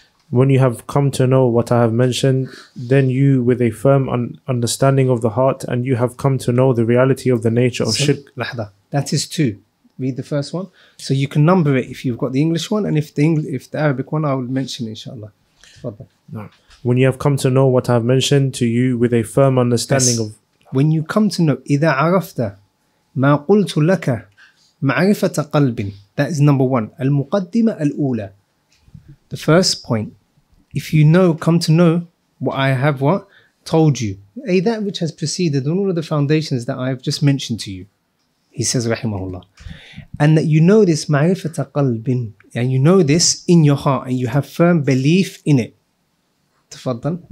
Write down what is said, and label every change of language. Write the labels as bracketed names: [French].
[English] When you have come to know what I have mentioned, then you with a firm understanding of the heart, and you have come to know the reality of the nature of shirk. Lahda. That is two. Read the first one. So you can number it if you've got the English one, and if the Arabic one, I will mention inshallah. Fadda. No. When you have come to know what I have mentioned to you with a firm understanding of... When you come to know, [Arabic] إذا عرفت ما قلت لك معرفة قلب. [English] That is number one. [Arabic] المقدمة الأولى. [English] The first point, if you know, come to know what I have what? Told you. That which has preceded on all of the foundations that I have just mentioned to you. He says, rahimahullah. And that you know this, ma'rifata qalbin, and you know this in your heart, and you have firm belief in it. Tafaddan.